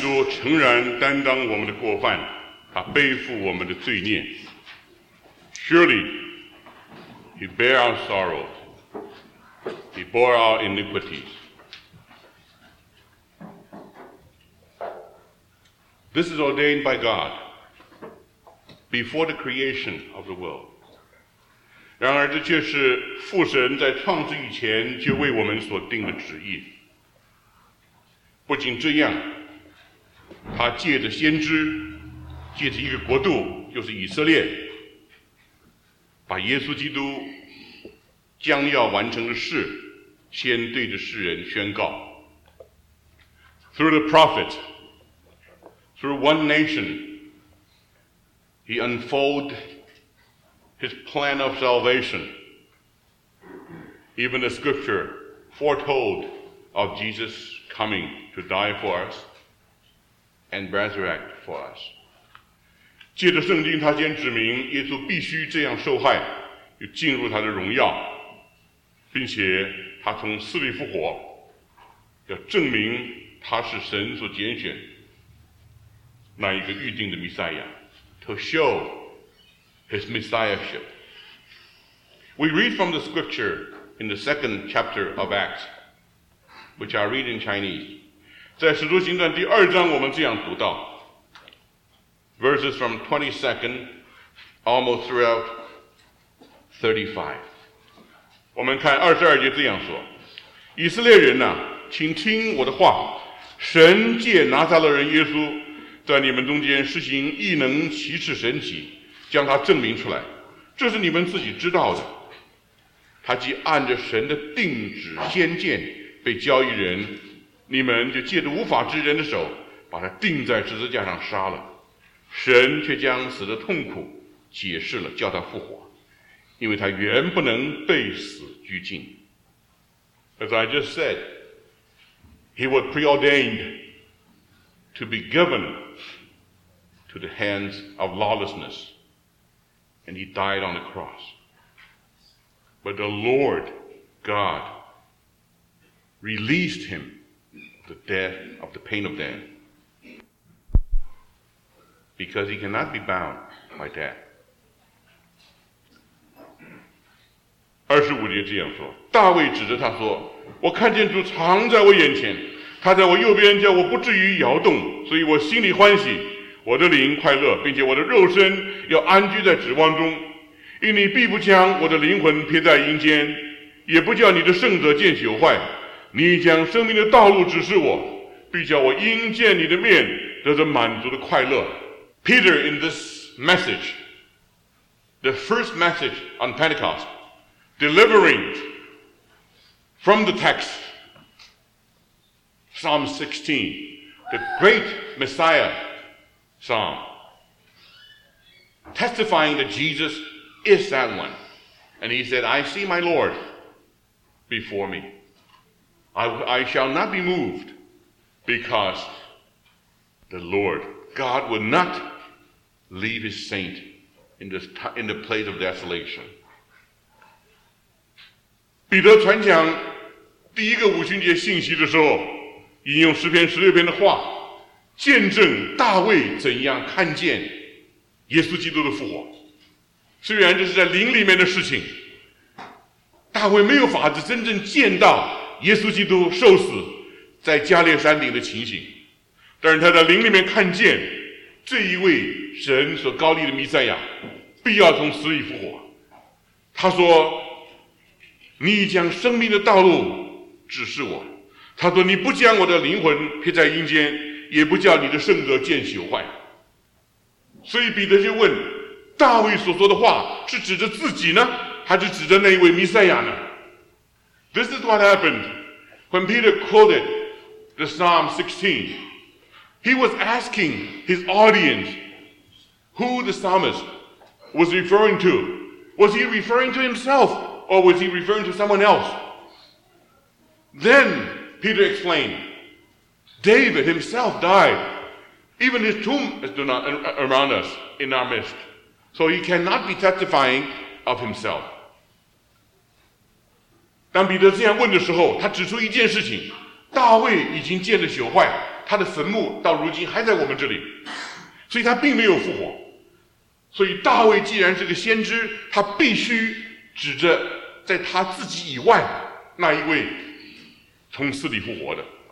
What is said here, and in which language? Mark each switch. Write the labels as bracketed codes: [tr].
[zh] 诚然担当我们的过犯，他背负我们的罪孽。 [en] Surely, he bare our sorrows, he bore our iniquities. This is ordained by God before the creation of the world. [zh] 然而这却是父神在创世以前就为我们所定的旨意。不仅这样，他借着先知，借着一个国度，就是以色列，把耶稣基督将要完成的事先对着世人宣告。 [en] Through the prophet, through one nation, he unfolded his plan of salvation. Even the scripture foretold of Jesus coming to die for us and resurrect for us. [zh] 借着圣经，他先指明耶稣必须这样受害，又进入他的荣耀，并且他从死里复活，要证明他是神所拣选那一个预定的弥赛亚。 [en] To show his messiahship, we read from the scripture in the second chapter of Acts, which I read in Chinese. [zh] 在使徒行传第二章，我们这样读到。 [en] Verses from 22nd almost throughout 35. [zh] 我们看22节这样说，以色列人啊，请听我的话，神借拿撒勒人耶稣在你们中间施行异能奇事神迹，将他证明出来，这是你们自己知道的。他既按着神的定旨先见被交易人，你们就借着无法之人的手把他钉在十字架上杀了，神却将死的痛苦解释了，叫他复活，因为他原不能被死拘禁。 [en] As I just said, he was preordained to be given to the hands of lawlessness, and he died on the cross. But the Lord God released him of the death of the pain of death. Because he cannot be bound by death. [zh] 25节这样说，大卫指着他说，我看见主藏在我眼前，他在我右边，叫我不至于摇动，所以我心里欢喜，我的灵快乐，并且我的肉身要安居在指望中，因你必不将我的灵魂撇在阴间，也不叫你的圣者见朽坏，你将生命的道路指示我，必叫我因见你的面得着满足的快乐。 [en] Peter, in this message, the first message on Pentecost, delivering from the text, Psalm 16, the great Messiah Psalm, testifying that Jesus is that one. And he said, I see my Lord before me. I shall not be moved because the Lord God will notLeave his saint in the place of desolation. [zh] 彼得传讲第一个五旬节信息的时候，引用诗篇十六篇的话，见证大卫怎样看见耶稣基督的复活。虽然这是在灵里面的事情，大卫没有法子真正见到耶稣基督受死在加略山顶的情形，但是他在灵里面看见这一位神所高立的弥赛亚必要从死里复活。他说，你将生命的道路指示我，他说，你不将我的灵魂撇在阴间，也不叫你的圣者见朽坏。所以彼得就问，大卫所说的话是指着自己呢，还是指着那一位弥赛亚呢？ [en] This is what happened when Peter quoted the Psalm 16. He was asking his audienceWho the psalmist was referring to? Was he referring to himself or was he referring to someone else? Then Peter explained, David himself died. Even his tomb is not around us in our midst. So he cannot be testifying of himself. [zh] 当彼得这样问的时候，他指出一件事情，大卫已经见了朽坏，他的坟墓到如今还在我们这里，所以他并没有复活。所以大卫既然是个先知，他必须指着在他自己以外那一位从死里复活的。